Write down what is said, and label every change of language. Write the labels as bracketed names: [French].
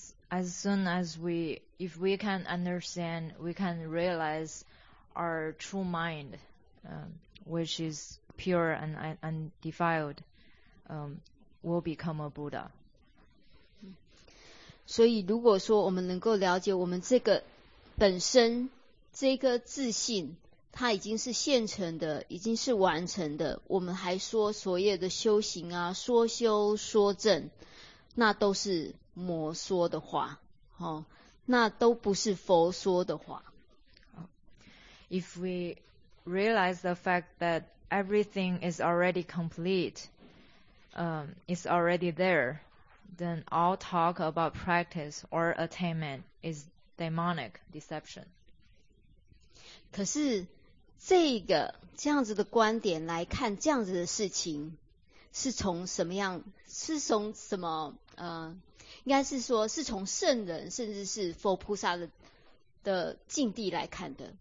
[English] As soon as we can understand, we can realize our true mind, which is pure and undefiled, will become a Buddha. [Chinese] 所以如果说我们能够了解我们这个本身这个自信它已经是现成的，已经是完成的，我们还说所有的修行啊，说修说证，那都是魔说的话，那都不是佛说的话。 [English] If we realize the fact that everything is already complete, is already there, then all talk about practice or attainment is demonic deception. [Chinese] 可是这个这样子的观点来看这样子的事情是从什么样，是从什么应该是说是从圣人甚至是佛菩萨的境地来看的。